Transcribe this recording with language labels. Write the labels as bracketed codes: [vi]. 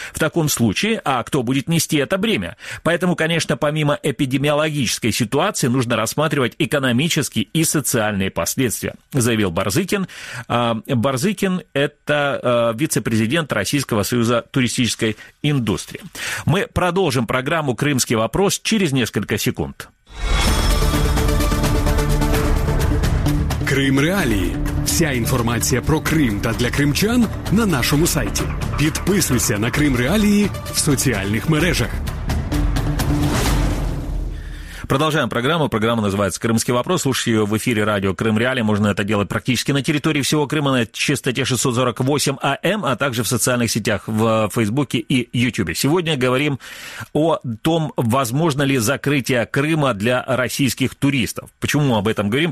[ru] В таком случае, а кто будет нести это бремя? Поэтому, конечно, помимо эпидемиологической ситуации, нужно рассматривать экономические и социальные последствия, заявил Барзыкин. Барзыкин – это вице-президент Российского союза туристической индустрии. Мы продолжим программу «Крымский вопрос» через несколько секунд. [uk] Крым Реалії. Вся інформація про Крим та для кримчан на нашому сайті. Підписуйся на Крим Реалії в соціальних мережах. [ru] Продолжаем программу. Программа называется «Крымский вопрос». Слушайте ее в эфире радио «Крым Реалии». Можно это делать практически на территории всего Крыма на частоте 648 АМ, а также в социальных сетях в Фейсбуке и Ютубе. Сегодня говорим о том, возможно ли закрытие Крыма для российских туристов. Почему мы об этом говорим?